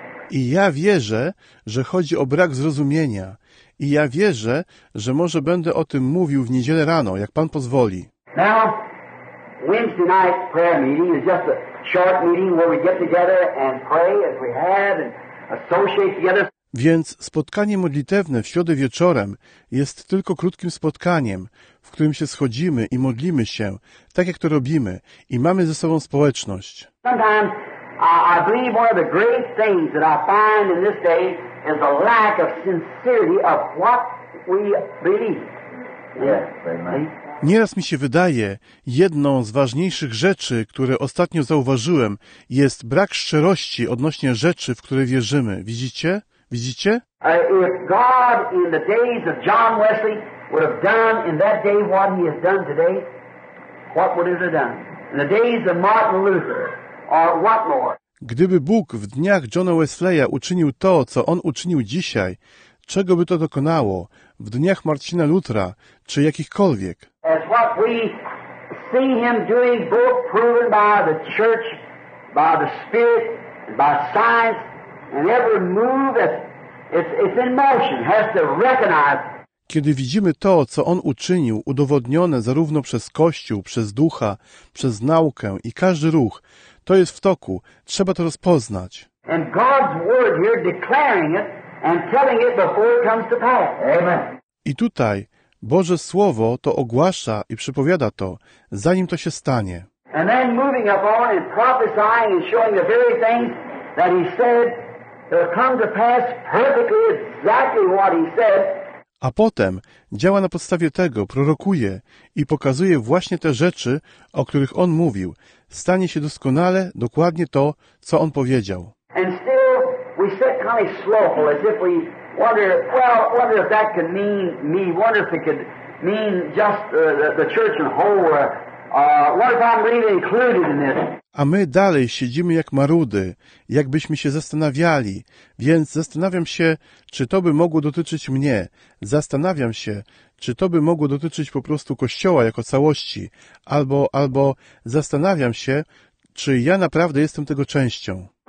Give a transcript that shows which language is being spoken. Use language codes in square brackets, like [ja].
[pl] I ja wierzę, że chodzi o brak zrozumienia. I ja wierzę, że może będę o tym mówił w niedzielę rano, jak Pan pozwoli. [en] Now, Wednesday night prayer meeting is just a short meeting where we get together and pray as we have and associate together. [pl] Więc spotkanie modlitewne w środę wieczorem jest tylko krótkim spotkaniem, w którym się schodzimy i modlimy się, tak jak to robimy, i mamy ze sobą społeczność. [en] Sometimes I believe one of the great things that I find in this day is a lack of sincerity of what we believe. Yes, amen. [pl] Nieraz mi się wydaje, jedną z ważniejszych rzeczy, które ostatnio zauważyłem, jest brak szczerości odnośnie rzeczy, w które wierzymy. Widzicie? Widzicie? [en] If God in the days of John Wesley would have done in that day what he has done today, what would it have done? In the days of Martin Luther, or what more? [pl] Gdyby Bóg w dniach Johna Wesleya uczynił to, co on uczynił dzisiaj, czego by to dokonało? W dniach Marcina Lutra, czy jakichkolwiek? [en] As what we see him doing, both proven by the church, by the spirit, by science, and every move it's in motion, has to recognize. [pl] Kiedy widzimy to, co on uczynił, udowodnione zarówno przez Kościół, przez Ducha, przez naukę i każdy ruch, to jest w toku, trzeba to rozpoznać. [en] And God's word here declaring it and telling it before it comes to pass. Amen. [pl] I tutaj Boże Słowo to ogłasza i przypowiada to, zanim to się stanie. [en] And then moving up on and prophesying and showing the very things that he said shall come to pass perfectly exactly what he said. [pl] A potem działa na podstawie tego, prorokuje i pokazuje właśnie te rzeczy, o których on mówił. Stanie się doskonale, dokładnie to, co on powiedział. [en] And still we sit kind of slowful, as if we wonder, well, wonder if that could mean me, wonder if it could mean just the church in whole. What if I'm really included in this? [pl] A my dalej siedzimy jak marudy, jakbyśmy się zastanawiali, więc zastanawiam się, czy to by mogło dotyczyć mnie. Zastanawiam się, czy to by mogło dotyczyć po prostu Kościoła jako całości, albo zastanawiam się, czy ja naprawdę jestem tego częścią.